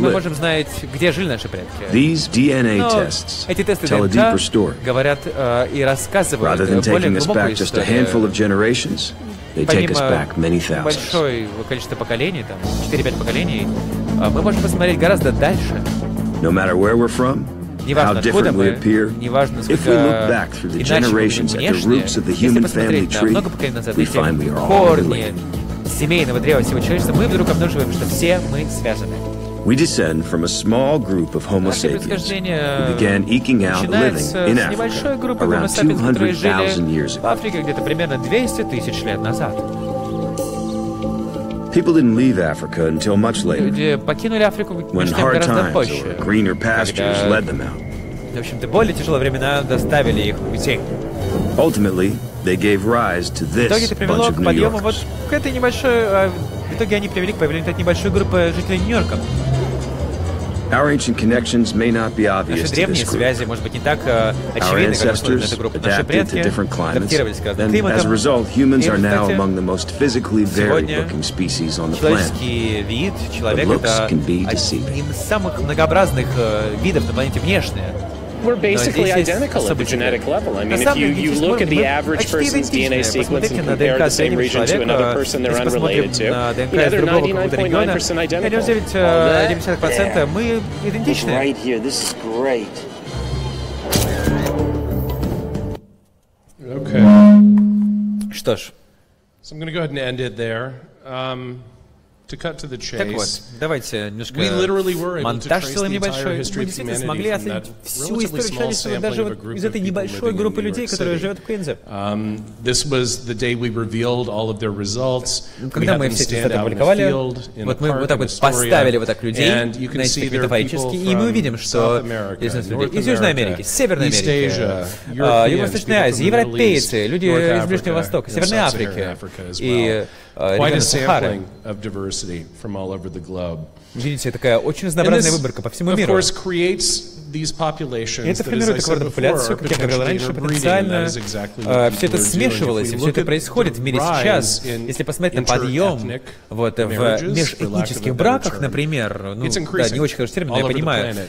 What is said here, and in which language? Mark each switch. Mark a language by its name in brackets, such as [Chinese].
[Russian] Мы можем знать, где жили наши предки. [English] These DNA tests tell a deeper story. [Russian] Говорят и рассказывают более глубокую историю. [English] Rather than taking us back just a handful of generations, they take us back many thousands. [Russian] Большое количество поколений, там 4-5 поколений, мы можем посмотреть гораздо дальше. [English] No matter where we're from, how different we appear, if we look back through the generations at the roots of the human family tree, we find we are all related. [Russian] Семейного древа всего человечества, мы вдруг обнаруживаем, что все мы связаны. [English] We descend from a small group of homo sapiens who began eking out living in Africa around 200,000 years ago. [Russian] В Африке где-то примерно 200 тысяч лет назад. [English] People didn't leave Africa until much later. [Russian] Люди покинули Африку [English] when hard times or greener pastures led them out. [Russian] В общем-то, более тяжелые времена доставили их уйти. [English] Ultimately, they gave rise to this bunch of New Yorkers. [Russian] Вот к этой небольшой, в итоге они привели к появлению этой небольшой группы жителей Нью-Йорка. [English] Our ancient connections may not be obvious [Russian] Наши древние [English] to this group. [Russian] Связи, может быть, не так очевидны, как [English] ancestors adapted to different climates, and as a result, humans are now among the most physically varied-looking species on the planet. [Russian] Человеческий вид, человек это один из самых многообразных видов на планете внешне. [English] We're basically identical at the genetic level. I mean, if you look at the average person's DNA sequence and compare the same region to another person they're unrelated to, you know, they're 99.9% identical. Right here, this is great. Okay. [Russian] Что ж. [English] So I'm going to go ahead and end it there. To cut to the chase, [Russian] так вот, давайте немножко [English] we literally were able [Russian] монтаж сделаем небольшой. Мы действительно смогли оценить всю историю человечества даже вот из этой небольшой группы людей, которые живут в Квинсе. [English] This was the day we revealed all of their results. [Russian] Когда мы все это опубликовали, вот мы вот так вот поставили вот так людей, знаете, метафорически, и мы увидим, что из Южной Америки, Северной Америки, Юго-Восточной Азии, европейцы, люди из Ближнего Востока, Северной Африки и [English] Quite a sampling of diversity from all over the globe. [Russian] Видите, такая очень разнообразная выборка по всему миру. [English] Of course, creates these populations. [Russian] Это формирует такую популяцию, как я говорил раньше, потенциально. Все это смешивалось, все это происходит в мире сейчас. Если посмотреть на подъем вот в межэтнических браках, например, ну да, не очень хороший термин, но я понимаю.